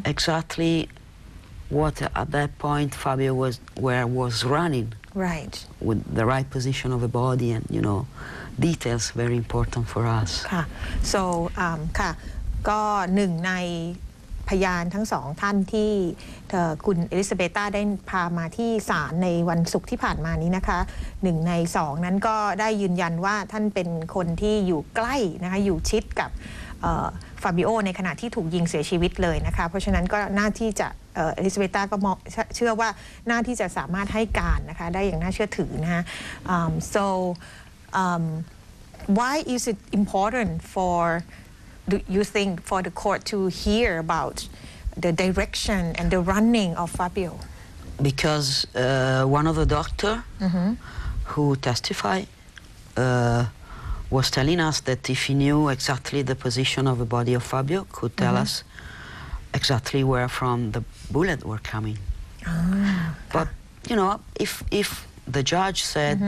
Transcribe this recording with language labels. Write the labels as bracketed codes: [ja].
[en] exactly what at that point Fabio was running. Right, with the right position of the body and you know. Details very important for us [th] ค่ะ so ค่ะก็หนึ่งในพยานทั้งสองท่านที่คุณเอลิซาเบต้าได้พามาที่ศาลในวันศุกร์ที่ผ่านมานี้นะคะหนึ่งในสองนั้นก็ได้ยืนยันว่าท่านเป็นคนที่อยู่ใกล้นะคะอยู่ชิดกับ ฟาบิโอในขณะที่ถูกยิงเสียชีวิตเลยนะคะเพราะฉะนั้นก็น่าที่จะเอลิซาเบต้าก็เชื่อว่าน่าที่จะสามารถให้การนะคะได้อย่างน่าเชื่อถือนะคะ [en] soWhy is it important for, do you think, for the court to hear about the direction and the running of Fabio? Because one of the doctors mm-hmm. who testified was telling us that if he knew exactly the position of the body of Fabio, could tell mm-hmm. us exactly where from the bullet were coming. Ah, but, you know, if the judge said mm-hmm.